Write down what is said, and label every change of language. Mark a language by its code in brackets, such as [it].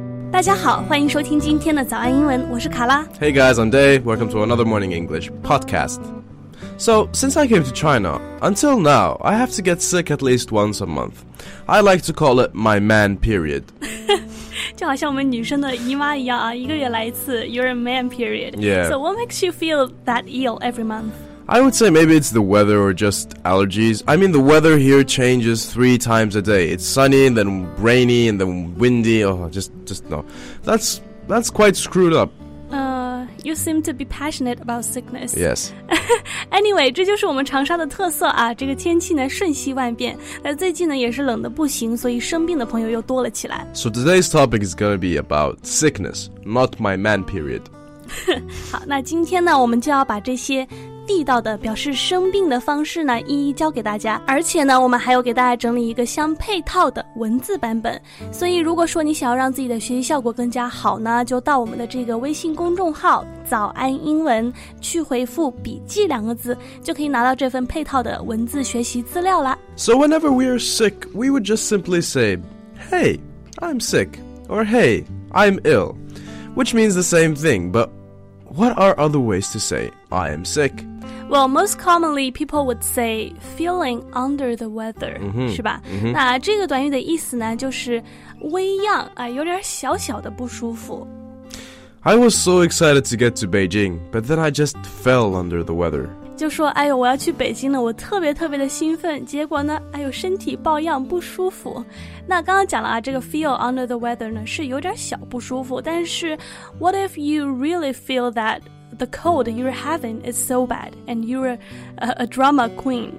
[zh] 大家好，欢迎收听今天的早安英文，我是卡拉。 [en] Hey guys, I'm Dave. Welcome to another Morning English podcast. So, since I came to China, until now, I have to get sick at least once a month. I like to call it my man period. [zh] 就好像我们女生的姨妈一样啊，一个月来一次 [en] your man period. Yeah. So what makes you feel that ill every month? I would say maybe it's the weather or just allergies. I mean, the weather here changes 3 times a day. It's sunny, and then rainy, and then windy. Oh, just no. That's quite screwed up. You seem to be passionate about sickness. Yes. Anyway, [zh] 这就是我们长沙的特色啊。这个天气呢瞬息万变，最近呢也是冷得不行，所以生病的朋友又多了起来。 [en] So today's topic is going to be about sickness, not my man period. [zh] 好，那今天呢我们就要把这些地道的表示生病的方式呢一一教给大家，而且呢我们还有给大家整理一个相配套的文字版本，所以如果说你想要让自己的学习效果更加好呢，就到我们的这个微信公众号早安英文去回复笔记两个字，就可以拿到这份配套的文字学习资料了。 [en] So whenever we are sick, we would just simply say Hey, I'm sick, or Hey, I'm ill, which means the same thing, butWhat are other ways to say, I am sick? Well, most commonly, people would say, feeling under the weather, mm-hmm. [zh] 是吧、 mm-hmm. 那这个短语的意思呢就是微恙、有点小小的不舒服。 [en] I was so excited to get to Beijing, but then I just fell under the weather. [zh] 就说哎呦我要去北京了，我特别特别的兴奋，结果呢哎呦身体抱恙不舒服。那刚刚讲了啊，这个 [en] feel under the weather [zh] 呢是有点小不舒服，但是 [en] what if you really feel that the cold you're having is so bad and you're a drama queen?